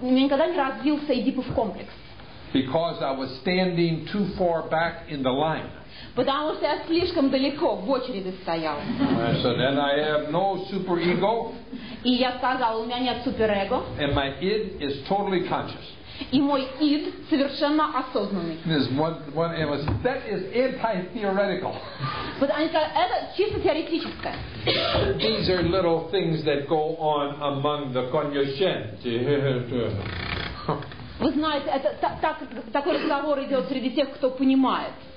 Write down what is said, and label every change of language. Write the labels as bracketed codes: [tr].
[ru] Я никогда не развился Эдипов комплекс. [en] Because I was standing too far back in the line. [ru] Потому что я слишком далеко в очереди стоял. [en] So then I have no super ego. [ru] И я сказал, у меня нет супер эго. [en] And my id is totally conscious. [ru] И мой ид совершенно осознанный. [en] That is anti-theoretical. [ru] But они сказали, это чисто теоретическое. [en] These are little things that go on among the Konyushin. [ru] Вы знаете, это такой разговор идет среди тех, кто понимает.